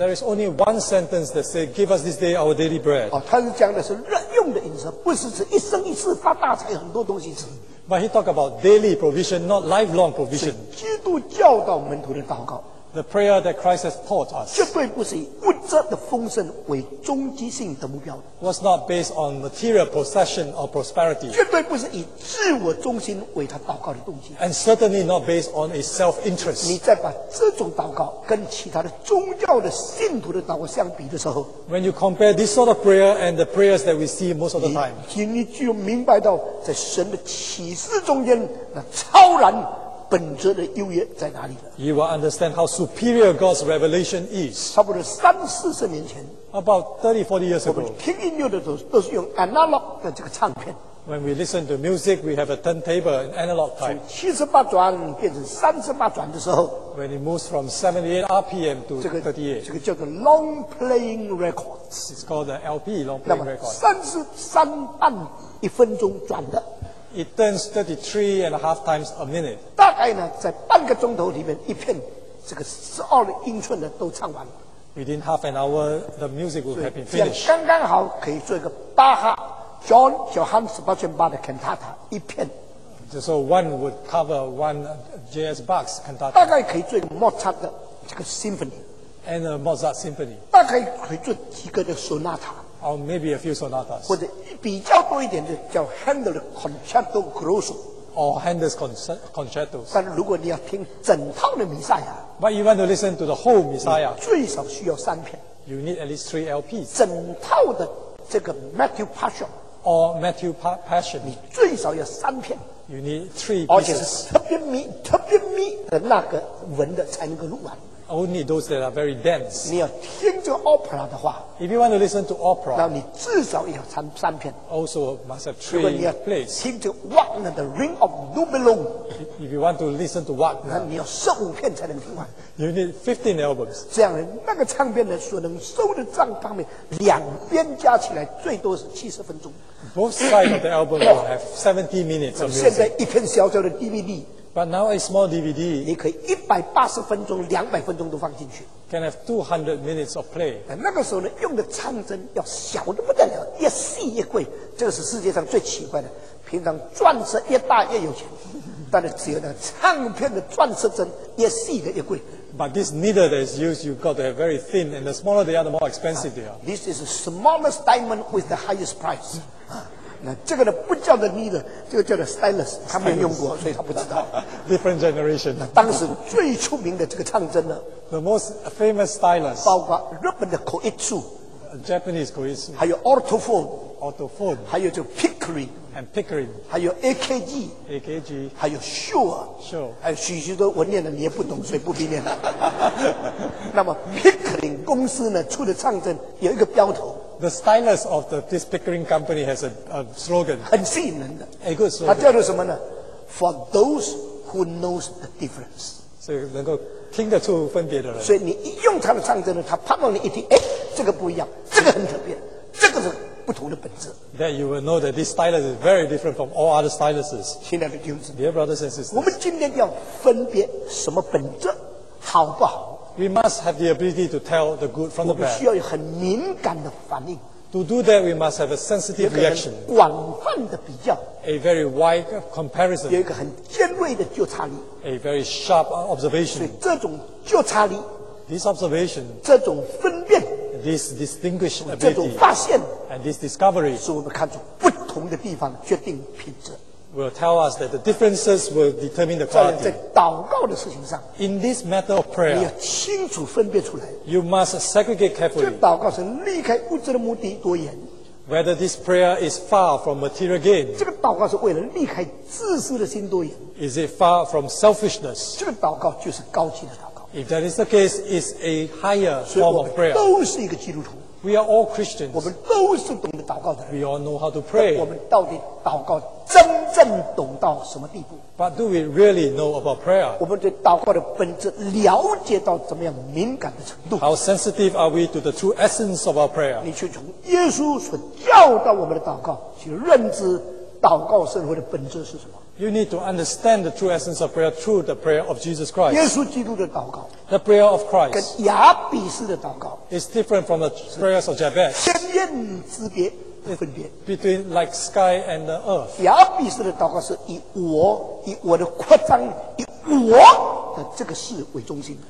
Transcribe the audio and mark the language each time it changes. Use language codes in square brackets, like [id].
[en] There is only one sentence that says, "Give us this day our daily bread." [zh] 哦，他是讲的是日用的音色，不是指一生一世发大财很多东西吃。 [en] But he talk about daily provision, not lifelong provision. [zh] 基督教导门徒的祷告。 [en] The prayer that Christ has taught us [zh] 绝对不是以物质的丰盛为终极性的目标。 [en] Was not based on material possession or prosperity. [zh] 绝对不是以自我中心为他祷告的动机。 [en] And certainly not based on a self-interest. [zh] 你再把这种祷告跟其他的宗教的信徒的祷告相比的时候， [en] When you compare this sort of prayer and the prayers that we see most of the time, [zh] 你就明白到在神的启示中间那超然。本质的优越在哪里的？ [en] You will understand how superior God's revelation is. [zh] 差不多三四十年前， [en] About 30-40 years ago, [zh] 我们听音乐的时候都是用 analog 的这个唱片。 [en] When we listen to music, we have a turntable, an analog type. [zh] 从78转变成38转的时候， [en] When it moves from 78 RPM to 38, [zh] 这个叫做 [en] long playing records. It's called the LP, long playing records. [zh] 33半一分钟转的。 [en] It turns 33 and a half times a minute. [zh] 大概呢，在半个钟头里面，一片这个12英寸的都唱完了。 [en] Within half an hour, the music will have been finished. [zh] 这样刚刚好可以做一个巴哈 John Johann Sebastian Bach 的 cantata 一片。 [en] So one would cover one J.S. Bach's cantata. [zh] 大概可以做一个莫扎特的这个 symphony. [en] And a Mozart symphony. [zh] 大概可以做几个的 sonata. [en] Or maybe a few sonatas. [zh] 或者比较多一点的叫 Handel Concerto Grosso. [en] Or Handel's concertos. [zh] 但如果你要听整套的弥赛亚， [en] But you want to listen to the whole Messiah. [zh] 最少需要三片。 [en] You need at least three LPs. [zh] 整套的这个 Matthew Passion. [en] Or Matthew Passion. [zh] 你最少要三片。 [en] You need three pieces. [zh] 而且是特别密、特别密的那个纹的才能够录完。 [en] Only those that are very dense. [zh] 你要听着 opera 的话。 [en] If you want to listen to opera, [zh] 那你至少要三片。 [en] Also must have three plays. [zh] 如果你要听着 Wagner 的 Ring of Nibelung, [en] if you want to listen to Wagner, [zh] 那你要15片才能听完。 [en] You need 15 albums. [zh] 这样的那个唱片的所能收的账方面，两边加起来最多是70分钟。 [en] Both sides of the album will have 70 minutes of music. [zh] 现在一片小小的 DVD。 [en] But now a small DVD, [zh] 你可以180分钟、200分钟都放进去。 [en] Can have 200 minutes of play. [zh] 那个时候呢，用的唱针要小得不得了，越细越贵。这个是世界上最奇怪的。平常钻石越大越有钱，但是只有那唱片的钻石针越细的越贵。 [en] But this needle that is used, you've got to have very thin, and the smaller they are, the more expensive they are. This is the smallest diamond with the highest price. [zh] 那这个呢不叫做 needle， 这个叫做 stylus， 他没用过，所以他不知道。 [en] Different generation。 [zh] 当时最出名的这个唱针呢 [en] ，the most famous stylus， [zh] 包括日本的 Koitsu， [en] Japanese Koitsu， [zh] 还有 Autophone， [en] Autophone， [zh] 还有就 Pickering， [en] and Pickering， [zh] 还有 AKG， [en] AKG， [zh] 还有 Shure， [en] Shure， [zh] 还有许多我念的你也不懂，所以不必念了。那么 Pickering 公司呢出的唱针有一个标头。 [en] The stylus of this Pickering company has a slogan. [zh] 很吸引人的。 [en] A good slogan. [zh] 它叫做什么呢？ [en] For those who knows the difference. [zh] 所以能够听得出分别的人。所以你一用它的唱针呢，它啪到你一听，哎，这个不一样，这个很特别，这个是不同的本质。 [en] That you will know that this stylus is very different from all other styluses. [zh] 亲爱的弟兄姊妹， [en] Dear brothers and sisters. [zh] 我们今天要分别什么本质，好不好？ [en] We must have the ability to tell the good from the bad. [zh] 我们需要有很敏感的反应。 [en] To do that, we must have a sensitive reaction. [zh] 有一个很广泛的比较。 [en] A very wide comparison. [zh] 有一个很尖锐的觉察力。 [en] A very sharp observation. [zh] 所以这种觉察力。 [en] This observation. [zh] 这种分辨。 [en] This distinguished ability. [zh] 这种发现。 [en] And this discovery. [zh] 使我们看出不同的地方决定品质。 [en] Will tell us that the differences will determine the quality. [zh] 在祷告的事情上 [en] ，in this matter of prayer， [zh] 你要清楚分辨出来。 [en] You must segregate carefully. [zh] 这祷告是离开物质的目的多远 [en] ？Whether this prayer is far from material gain. [zh] 这个祷告是为了离开自私的心多远 [en] ？Is it far from selfishness? [zh] 这个祷告就是高级的祷告。 [en] If that is the case, it's a higher form of prayer. [zh] 所以我们都是一个基督徒。 [en] We are all Christians. [zh] 我们都是懂得祷告的人。 [en] We all know how to pray. [zh] 我们到底祷告真正懂到什么地步 [en] ？But do we really know about prayer? [zh] 我们对祷告的本质了解到怎么样敏感的程度 [en] ？How sensitive are we to the true essence of our prayer? [zh] 你去从耶稣所教导我们的祷告去认知祷告生活的本质是什么 [en] ？You need to understand the true essence of prayer through the prayer of Jesus Christ. [zh] 耶稣基督的祷告 [en] ，the prayer of Christ， [zh] 跟亚比士的祷告 [en] ，is different from the prayers of Jabez. [zh] 天渊之别。分别 [en] between like sky and the earth. [zh] 亚比士的祷告是以我以我的扩张以我的这个事为中心。